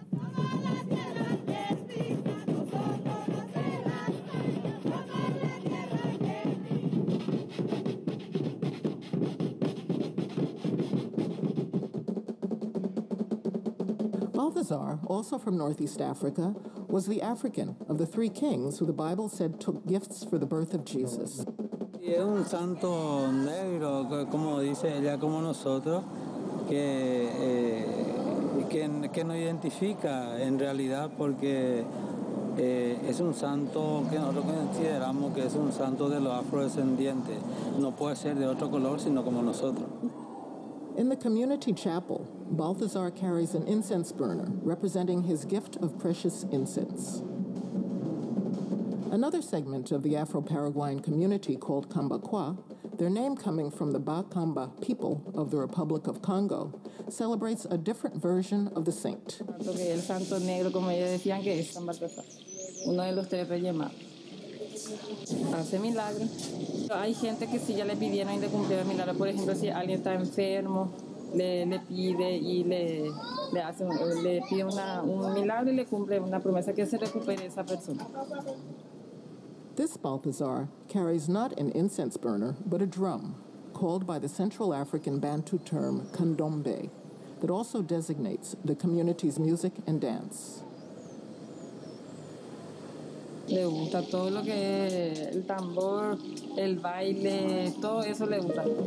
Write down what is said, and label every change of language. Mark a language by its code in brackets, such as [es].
[en] Balthazar, also from Northeast Africa, was the African of the three kings who the Bible said took gifts for the birth of Jesus. [es] Es un santo negro, como dice ella, como nosotros, que nos identifica en realidad porque es un santo que nosotros consideramos que es un santo de los afrodescendientes. No puede ser de otro color sino como nosotros. [en] In the community chapel, Balthazar carries an incense burner representing his gift of precious incense. Another segment of the Afro-Paraguayan community called Kambakwa, their name coming from the Bakamba people of the Republic of Congo, celebrates a different version of the saint. [es] El santo negro, como ellos decían, que es San Baltasar, uno de los tres reyes más. Hace milagros. Hay gente que si ya le pidieron y le cumplieron milagros. Por ejemplo, si alguien está enfermo, le pide y le pide un milagro y le cumple una promesa que se recupere esa persona. [en] This Balthazar carries not an incense burner, but a drum, called by the Central African Bantu term kandombe, that also designates the community's music and dance. [es] Le gusta todo lo que es el tambor, el baile, todo eso le gusta.